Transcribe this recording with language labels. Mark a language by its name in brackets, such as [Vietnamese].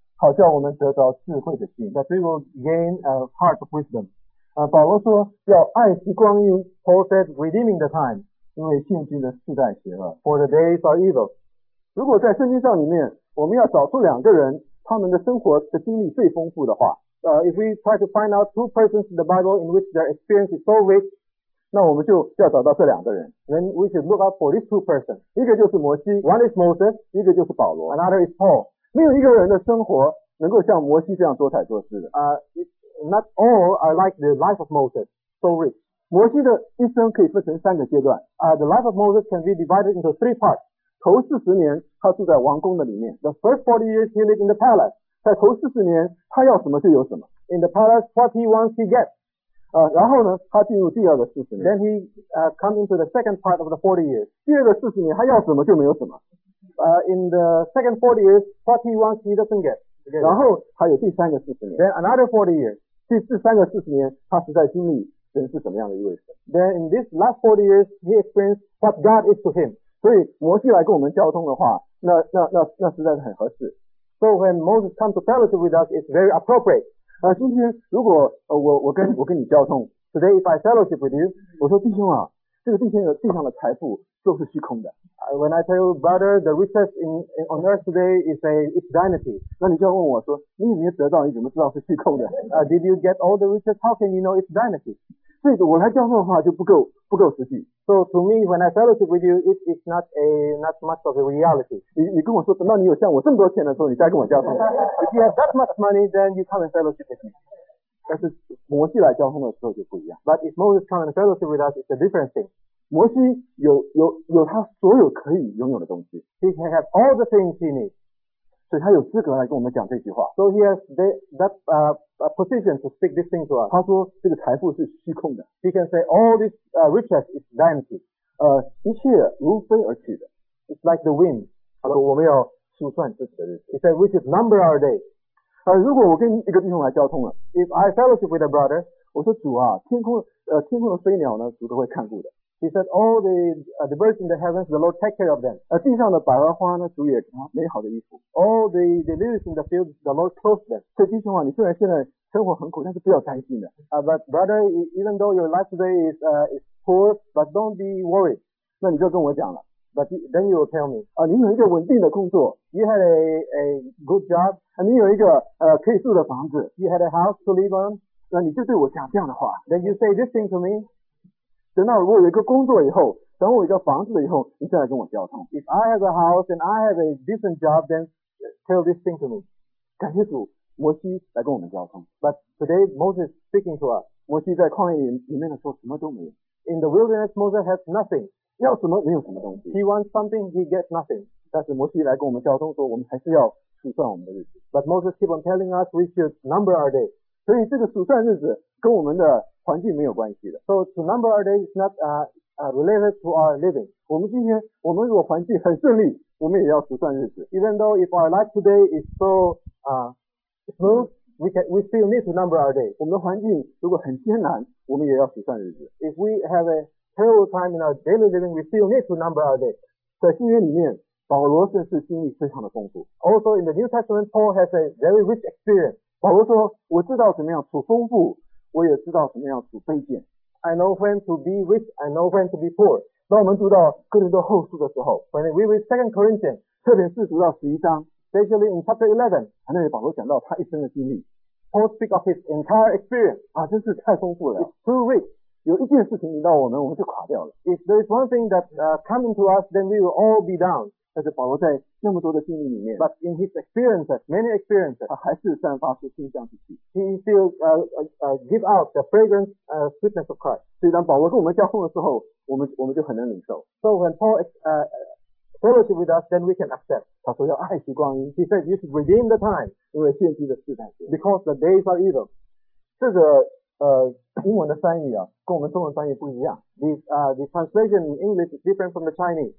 [Chinese] 好叫我们得到智慧的心 [English] That we will gain a heart of wisdom [Chinese] 保罗说要爱惜光阴 [English] Paul said redeeming the time [Chinese] 因为现今的世代邪恶 [English] For the days are evil [Chinese] 如果在圣经上里面我们要找出两个人他们的生活的经历最丰富的话、 [English] If we try to find out two persons in the Bible in which their experience is so rich [Chinese] 那我们就要找到这两个人 [English] Then we should look out for these two persons [Chinese] 一个就是摩西 [English] One is Moses [Chinese] 一个就是保罗 [English] Another is Paul [Chinese] 没有一个人的生活能够像摩西这样多彩多姿的、 [English] Not all are like the life of Moses so rich [Chinese] 摩西的一生可以分成三个阶段、 [English] The life of Moses can be divided into three parts [Chinese] 头四十年他住在王宫的里面 [English] The first 40 years he lived in the palace [Chinese] 在头四十年他要什么就有什么 [English] In the palace what he wants he gets [Chinese] 然后呢他进入第二个四十年 [English] Then he come into the second part of the 40 years [Chinese] 第二个四十年他要什么就没有什么 [English] In the second 40 years what he wants he doesn't get [Chinese] 然后还有第三个四十年 [English] Then another 40 years [Chinese] 第三个四十年他实在经历神是怎么样的一位神 [English] Then in this last 40 years he experienced what God is to him [Chinese] 所以摩西来跟我们交通的话那实在是很合适 [English] So when Moses comes to fellowship with us it's very appropriate [Chinese] 今天如果、我跟你交通 [English] Today if I fellowship with you [Chinese] 我说弟兄啊这个地上的财富都是虚空的 [English] When I tell you brother the riches on earth today is vanity [Chinese] 那你就要问我说你有没有得到你怎么知道是虚空的、 [English] Did you get all the riches? How can you know it's vanity? [Chinese] 所以我来交通的话就不够实际 [English] So to me when I fellowship with you it is not much of a reality [Chinese] 你跟我说那你有像我这么多钱的时候你再跟我交通 [English] If you have that much money then you come and fellowship with me [Chinese] 但是摩西来交通的时候就不一样 [English] But if Moses come and fellowship with us it's a different thing [Chinese] 摩西有他所有可以拥有的东西 [English] He can have all the things he needs [Chinese] 所以他有资格来跟我们讲这句话 [English] So he has that a position to speak this thing to us [Chinese] 他说这个财富是虚空的 [English] He can say all this riches is vanity [Chinese] 一切如飞而去的 [English] It's like the wind [Chinese] 他说我们要数算自己的日子 [English] He said we should number our days [Chinese] 如果我跟一个弟兄来交通了 [English] If I fellowship with a brother [Chinese] 我说主啊天空的飞鸟呢主都会看顾的 [English] He said all the birds in the heavens the Lord take care of them [Chinese] 地上的百合花呢主也给他美好的衣服 [English] All the lilies in the field, the Lord clothes them. [Chinese] 所以弟兄啊，你虽然现在生活很苦，但是不要担心的。 [English] But brother, even though your life today is poor, but don't be worried. [Chinese] 那你就跟我讲了。 [English] But then you will tell me. [Chinese] 你有一个稳定的工作。 [English] You had a good job. [Chinese] 你有一个可以住的房子。 [English] You had a house to live on. [Chinese] 那你就对我讲这样的话。 [English] Then you say this thing to me. [Chinese] 等到我有一个工作以后。等我一个房子了以后你再来跟我交通 [English] If I have a house and I have a decent job then tell this thing to me [Chinese] 感谢主摩西来跟我们交通 [English] But today Moses is speaking to us [Chinese] 摩西在旷野里面的时候什么都没有 [English] In the wilderness Moses has nothing [Chinese] 要什么没有什么东西 [English] He wants something he gets nothing [Chinese] 但是摩西来跟我们交通说我们还是要数算我们的日子 [English] But Moses keep on telling us we should number our day [Chinese] 所以这个数算日子跟我们的环境没有关系的 [English] So to number our day is not related to our living. [Chinese] 我们今天，我们如果环境很顺利，我们也要数算日子。 [English] Even though if our life today is so smooth, we still need to number our days. [Chinese] 我们的环境如果很艰难，我们也要数算日子。 [English] If we have a terrible time in our daily living, we still need to number our days. [Chinese] 在新约里面，保罗甚至经历非常的丰富。 [English] Also in the New Testament, Paul has a very rich experience. [Chinese] 保罗说：“我知道怎么样处丰富，我也知道怎么样处卑贱。” [English] I know when to be rich, I know when to be poor. [Chinese] 当我们读到哥林多后书的时候 [English] When we read 2 Corinthians, [Chinese] 特别是读到11章 [English] Especially in chapter 11, [Chinese] 那里保罗讲到他一生的经历 [English] Paul speaks of his entire experience. [Chinese] 真是太丰富了 [English] It's too rich. [Chinese] 有一件事情引导我们就垮掉了 [English] If there is one thing that comes into us, then we will all be down. [Chinese] 但是保罗在那么多的经历里面 [English] ，But in his experiences, many experiences, [Chinese] 他还是散发出馨香之气。 [English] He still give out the fragrance sweetness of Christ. [Chinese] 所以当保罗跟我们交通的时候，我们就很能领受。 [English] So when Paul fellowship with us, then we can accept. [Chinese] 他说要爱惜光阴。 [English] He said you should redeem the time, [Chinese] 因为献祭的时代。 [English] Because the days are evil. [Chinese] 这个英文的翻译啊，跟我们中文翻译不一样。 [English] The translation in English is different from the Chinese.